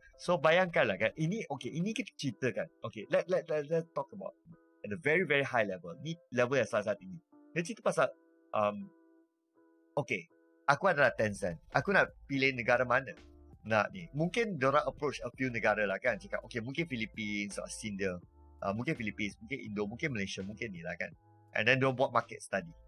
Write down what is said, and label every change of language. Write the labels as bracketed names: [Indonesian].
[Malay] So bayangkanlah kan, ini okay, ini kita ceritakan. [English] Okay, let's talk about at a very very high level. [Malay] Ni level yang sangat-sangat tinggi. Dia cerita pasal okay, aku adalah Tencent. Aku nak pilih negara mana nak ni. Mungkin diorang [English] approach a few [Malay] negara lah kan. Cakap, okay, mungkin Philippines, Sindia. Mungkin Philippines, mungkin Indo, mungkin Malaysia, mungkin ni lah kan. And then diorang buat market study.